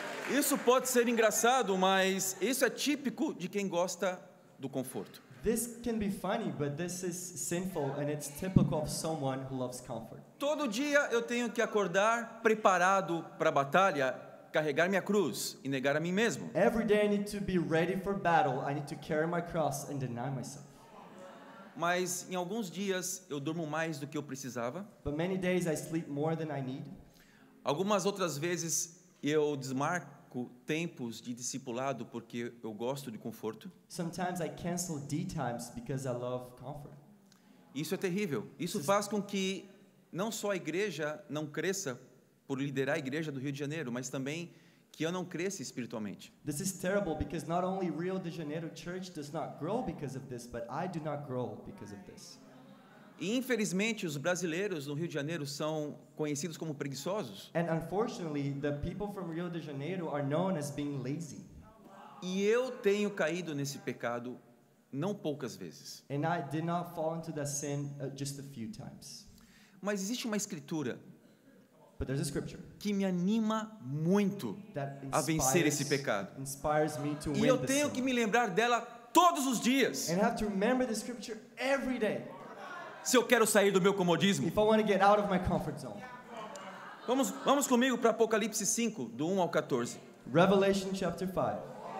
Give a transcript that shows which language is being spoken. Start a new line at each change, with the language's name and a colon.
Portuguese: Isso pode ser engraçado, mas isso é típico de quem gosta do conforto.
English: This can be funny, but this is sinful, and it's typical of someone who loves comfort.
Portuguese: Todo dia eu tenho que acordar preparado para a batalha, carregar minha cruz e negar a mim mesmo.
English: Every day I need to be ready for battle. I need to carry my cross and deny myself.
Portuguese: Mas em alguns dias eu durmo mais do que eu precisava.
English: But many days I sleep more than I need.
Portuguese: Algumas outras vezes eu desmarco tempos de discipulado porque eu gosto de conforto.
English: Sometimes I cancel D times because I love comfort.
Portuguese: Isso é terrível. Isso faz com que não só a igreja não cresça por liderar a igreja do Rio de Janeiro, mas também que eu não cresça espiritualmente.
English: This is terrible because not only Rio de Janeiro Church does not grow because of this, but I do not grow because of this.
Portuguese: E infelizmente os brasileiros no Rio de Janeiro são conhecidos como preguiçosos.
English: And unfortunately, the people from Rio de Janeiro are known as being lazy.
Portuguese: E eu tenho caído nesse pecado não poucas vezes.
English: And I did not fall into that sin just a few times.
Portuguese: Mas existe uma escritura
English: But there's a scripture
Portuguese: que me anima muito a vencer esse pecado.
English: Inspires me to
Portuguese: e
English: win
Portuguese: eu tenho que me lembrar dela todos os dias.
English: And I have to remember the scripture every day.
Portuguese: Se eu quero sair do meu comodismo.
English: If I want to get out of my comfort zone.
Portuguese: Vamos comigo para Apocalipse 5, do 1 ao 14.
English: Revelation chapter 5.